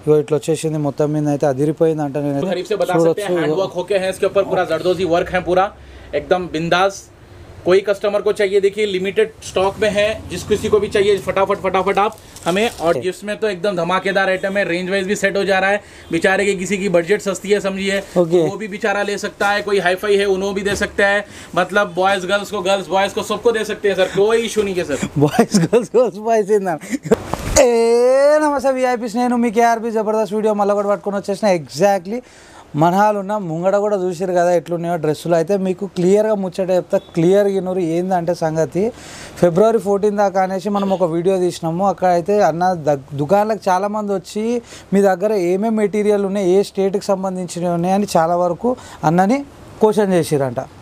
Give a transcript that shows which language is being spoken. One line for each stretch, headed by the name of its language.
Telugu: ఇగో ఇట్లా వచ్చేసింది మొత్తం మీద అయితే అదిరిపోయింది అంట నేను అయితే
Hindi: గరీబ్ సే బతా సకతే
Telugu: చూడొచ్చు
Hindi: హ్యాండ్ వర్క్ ఓకే హై ఇస్కే ఉపర్ పూరా జర్దోజీ వర్క్ హై పూరా ఏక్దమ్ బిందాస్ कोई कस्टमर को चाहिए देखिए लिमिटेड स्टॉक में है जिस किसी को भी चाहिए फटाफट फटाफट आप हमें और
English: okay.
Hindi: इसमें तो एकदम धमाकेदार आइटम है रेंज वाइज भी सेट हो जा रहा है बेचारे के किसी की बजट सस्ती है समझिए
English: okay.
Hindi: तो वो भी बेचारा ले सकता है कोई हाईफाई है उन्हों भी दे सकता है मतलब बॉयज गर्ल्स को गर्ल्स बॉयज को सबको दे सकते हैं सर कोई इशू नहीं है sir boys girls girls boys नमस्ते वीआईपीस
Telugu: నేను మీ కేఆర్పి జబర్దస్త్ వీడియో మళ్ళీ కూడా పట్టుకొని వచ్చేసిన ఎగ్జాక్ట్లీ మనహాలు ఉన్న ముంగడ కూడా చూసారు కదా ఎట్లున్నాయో డ్రెస్సులు అయితే మీకు క్లియర్గా ముచ్చట చెప్తా క్లియర్ గినురు ఏందంటే సంగతి ఫిబ్రవరి 14 దాకా అనేసి మనం ఒక వీడియో తీసినాము అక్కడ అయితే అన్న దుకాణాలకు చాలామంది వచ్చి మీ దగ్గర ఏమేం మెటీరియల్ ఉన్నాయి ఏ స్టేట్కి సంబంధించినవి ఉన్నాయి అని చాలా వరకు అన్నని క్వశ్చన్ చేసిరంట